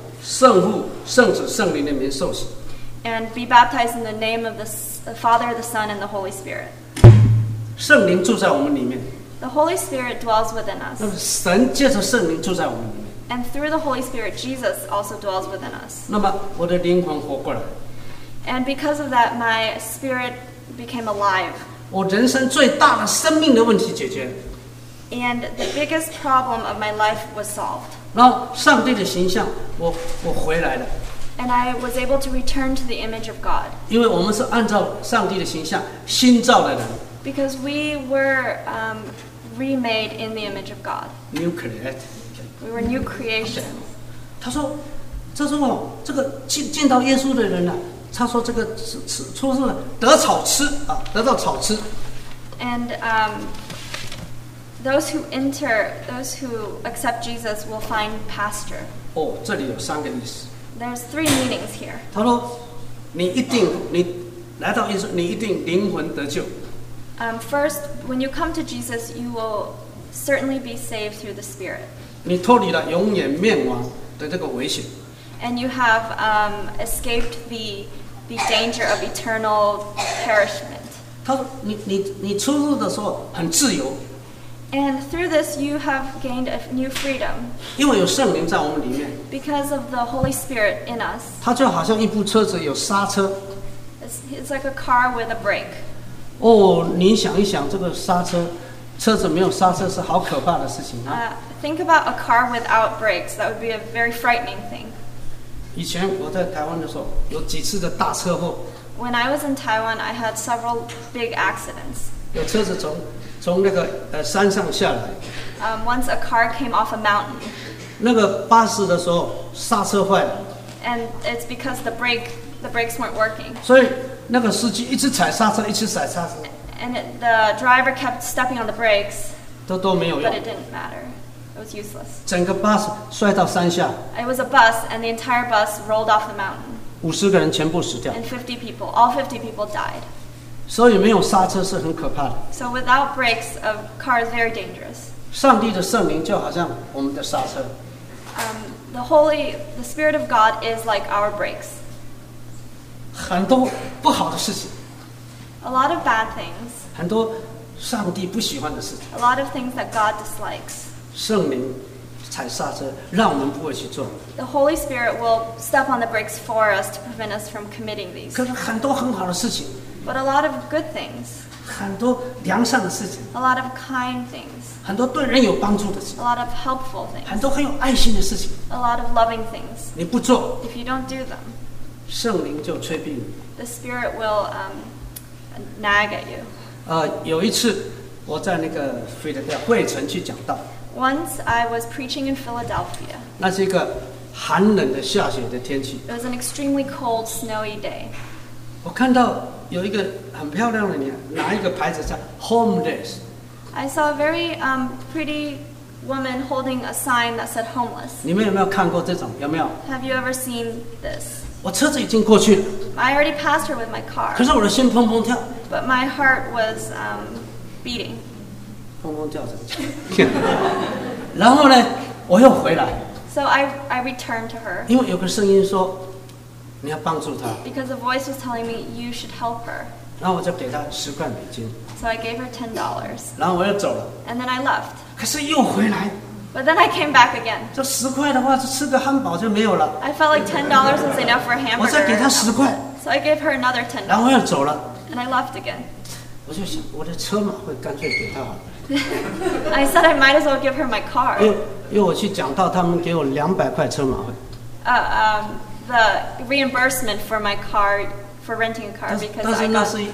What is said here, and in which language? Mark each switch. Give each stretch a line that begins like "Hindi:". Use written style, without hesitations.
Chinese: 圣父、圣子、圣灵的名受洗。
English: And be baptized in the name of the Father, the Son, and the Holy Spirit.
Chinese: 圣灵住在我们里面。
English: The Holy Spirit dwells within us.
Chinese: 那么神借着圣灵住在我们里面。
English: And through the Holy Spirit, Jesus also dwells within us.
Chinese: 那么我的灵魂活过来。
English: And because of that, my spirit became alive.
Chinese: 我人生最大的生命的问题解决。
English: And the biggest problem of my life was solved.
Chinese: 然后上帝的形象我回来了。
English: And I was able to return to the image of God.
Chinese: 因为我们是按照上帝的形象新造的人。
English: Because we were remade in the image of God. New create. We were new creations.
Chinese: 他说，这是我这个见到耶稣的人呢、啊，他说这个吃出什么得草吃啊，得到草吃。
English: And those who enter, those who accept Jesus will find pasture.
Chinese: 这里有三个意思。
English: There's three meanings here.
Chinese: 他说，你一定，你来到耶稣，你一定灵魂得救。
English: First, when you come to Jesus, you will certainly be saved through the Spirit.
Chinese: 你脱离了永远灭亡的这个危险。
English: And you have escaped the danger of eternal perishment.
Chinese: 他说，你出入的时候很自由。
English: And through this, you have gained a new freedom.
Chinese: 因为有圣灵在我们里面。
English: Because of the Holy Spirit in us.
Chinese: 它就好像一部车子有刹车。
English: It's like a car with a brake.
Chinese: 你想一想，这个刹车，车子没有刹车是好可怕的事情啊。
English: Think about a car without brakes. That would be a very frightening thing.
Chinese: 以前我在台湾的时候，有几次的大车祸。
English: When I was in Taiwan, I had several big accidents.
Chinese: 有车子从。从那个山上下来。
English: Once a car came off a mountain.
Chinese: 那个巴士的时候刹车坏了。
English: And it's because the brakes weren't working.
Chinese: 所以那个司机一直踩刹车，一直踩刹车。
English: And the driver kept stepping on the brakes.
Chinese: 都没有用。
English: But it didn't matter. It was useless.
Chinese: 整个巴士摔到山下。
English: It was a bus, and the entire bus rolled off the mountain.
Chinese: 50个人全部死掉。
English: And 50 people, all 50 people died.
Chinese: 所以没有刹车是很可怕的。
English: So without brakes, a car is very dangerous.
Chinese: 上帝的圣灵就好像我们的刹车。
English: The Spirit of God is like our brakes.
Chinese: 很多不好的事情。
English: A lot of bad things.
Chinese: 很多上帝不喜欢的事情。
English: A lot of things that God dislikes.
Chinese: 圣灵踩刹车，让我们不会去做。
English: The Holy Spirit will step on the brakes for us to prevent us from committing these.
Chinese: 可是很多很好的事情。
English: But a lot of good things.
Chinese: 很多良善的事情。
English: A lot of kind things.
Chinese: 很多对人有帮助的事情。
English: A lot of helpful things.
Chinese: 很多很有爱心的事情。
English: A lot of loving things.
Chinese: 你不做。
English: If you don't do them.
Chinese: 圣灵就催逼你。
English: The Spirit will nag at you.
Chinese: 有一次我在那个菲德叫惠城去讲道。
English: Once I was preaching in Philadelphia.
Chinese: 那是一个寒冷的下雪的天气。
English: It was an extremely cold, snowy day.
Chinese: 我看到有一个很漂亮的脸，拿一个牌子叫 homeless。
English: I saw a very pretty woman holding a sign that said homeless。
Chinese: 你们有没有看过这种？有没有
English: ？Have you ever seen this？
Chinese: 我车子已经过去了。
English: I already passed her with my car。
Chinese: 可是我的心砰砰跳。
English: But my heart was beating。
Chinese: 砰砰跳着。然后呢，我又回来。
English: So I returned to her。
Chinese: 因为有个声音说。你要帮助他。
English: Because a voice was telling me you should help her.
Chinese: 然后我就给他十块美金。
English: So I gave her $10.
Chinese: 然后我又走了。
English: And then I left.
Chinese: 可是又回来。
English: But then I came back again.
Chinese: 这十块的话，就吃个汉堡就没有了。
English: I felt like $10 was enough for a hamburger.
Chinese: 我再给他十块。
English: So I gave her another $10.
Chinese: 然后又走了。
English: And I left again.
Chinese: 我就想，我的车嘛，会干脆给他好了。
English: I said I might as well give her my car.
Chinese: 因为我去讲到他们给我200块车马费。
English: The reimbursement for my car, for renting a car, because I got